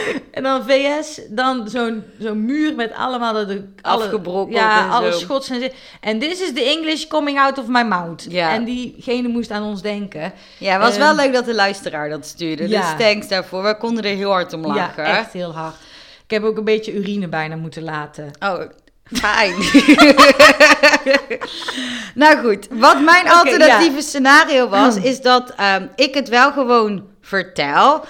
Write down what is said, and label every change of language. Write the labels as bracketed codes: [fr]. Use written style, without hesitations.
[nl] En dan VS, dan zo'n muur met allemaal... Afgebrokken. Ja, alle schots en zo. [en] En this is the English coming out of my mouth. [nl] Ja. En diegene moest aan ons denken. Ja, het was wel leuk dat de luisteraar dat stuurde. Ja. Dus thanks daarvoor. We konden er heel hard om lachen. Ja, echt heel hard. Ik heb ook een beetje urine bijna moeten laten. Oh, fijn. Nou goed, wat mijn alternatieve scenario was, is dat ik het wel gewoon vertel.